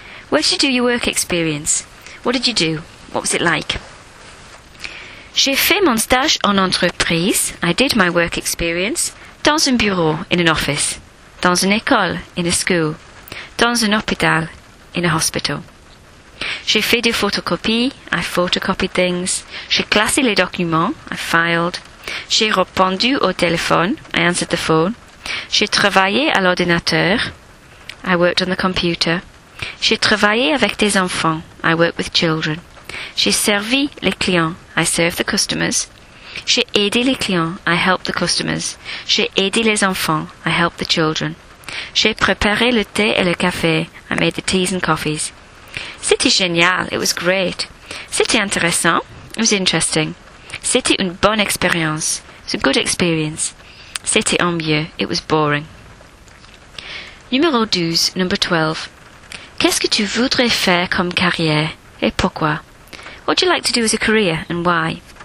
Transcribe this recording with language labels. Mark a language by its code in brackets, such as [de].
[en] Where did you do your work experience? What did you do? What was it like? [fr] J'ai fait mon stage en entreprise. [en] I did my work experience. [fr] Dans un bureau, [en] in an office. [fr] Dans une école, [en] in a school. [fr] Dans un hôpital, [en] in a hospital. [fr] J'ai fait des photocopies. [en] I photocopied things. [fr] J'ai classé les documents. [en] I filed. [fr] J'ai répondu au téléphone. [en] I answered the phone. [fr] J'ai travaillé à l'ordinateur. [en] I worked on the computer. [fr] J'ai travaillé avec des enfants. [en] I worked with children. [fr] J'ai servi les clients. [en] I served the customers. [fr] J'ai aidé les clients. [en] I helped the customers. [fr] J'ai aidé les enfants. [en] I helped the children. [fr] J'ai préparé le thé et le café. [en] I made the teas and coffees. [fr] C'était génial. [en] It was great. [fr] C'était intéressant. [en] It was interesting. [fr] C'était une bonne expérience. [en] It's a good experience. [fr] C'était ennuyeux. [en] It was boring. [fr] Numéro 12. [en] Number 12. [fr] Qu'est-ce que tu voudrais faire comme carrière et pourquoi? [en] What do you like to do as a career and why?